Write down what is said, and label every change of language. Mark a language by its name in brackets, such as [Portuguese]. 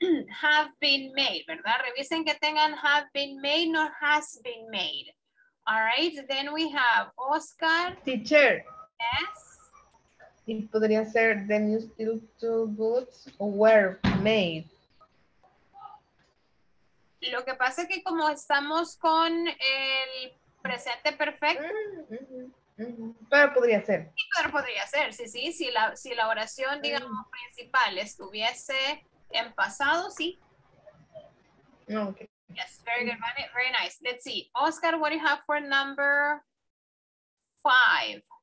[English] Have been made, ¿verdad? Revisen que tengan have been made, not has been made. All right, then we have Oscar. Teacher. Yes. It podría ser the new steel toe boots were made. [Spanish] Lo que pasa es que como estamos con el presente perfecto. Pero podría ser. Sí, pero podría ser, sí, sí. Si la oración, digamos, principal estuviese en pasado, sí. Okay. [English] Yes, very good, Vane. Very nice. Let's see. Oscar, what do you have for number five?